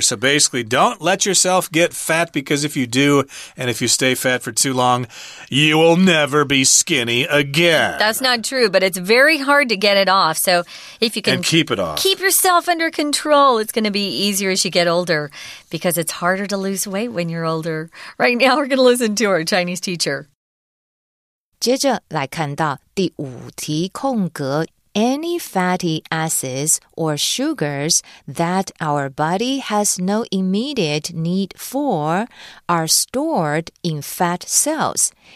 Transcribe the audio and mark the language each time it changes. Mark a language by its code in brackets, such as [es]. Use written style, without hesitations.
[en] So basically, don't let yourself get fat, because if you do, and if you stay fat for too long, you will never be skinny again. That's not true, but it's very hard to get it off. So if you can keep it off, keep yourself under control, it's going to be easier as you get older, because it's harder to lose weight when you're older. Right now, we're going to listen to our Chinese teacher. [zh] 接着来看到第五题空格。 [en] any fatty acids or sugars that our body has no immediate need for are stored in fat cells.